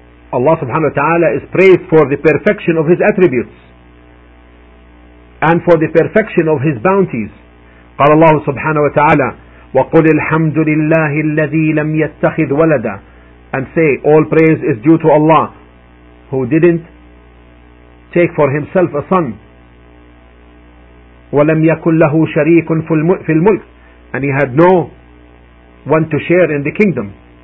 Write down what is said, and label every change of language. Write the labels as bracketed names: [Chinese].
[English] Allah subhanahu wa ta'ala is praised for the perfection of His attributes and for the perfection of His bounties. [Arabic] قال الله سبحانه وتعالى وقل الحمد لله الذي لم يتخذ ولدا. [English] And say, all praise is due to Allah who didn't take for Himself a son. [Arabic] ولم يكن له شريك في الملك. [English] And He had no one to share in the kingdom.